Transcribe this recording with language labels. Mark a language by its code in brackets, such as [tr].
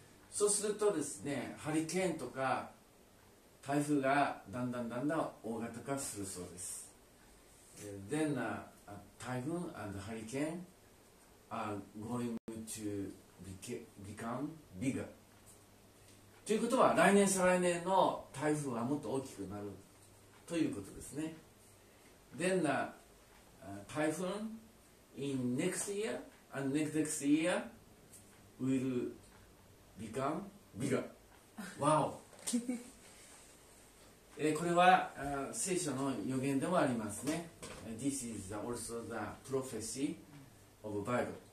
[ja] そうするとですね、ハリケーンとか台風がだんだん大型化するそうです。 [en] Then a typhoon and hurricane are going to become bigger. [ja] ということは、来年再来年の台風はもっと大きくなるということですね。 [en] Then a typhoon in next year and next year willBecome bigger. Wow. [ja] これは聖書の予言でもありますね。 [en] This is also the prophecy of the Bible.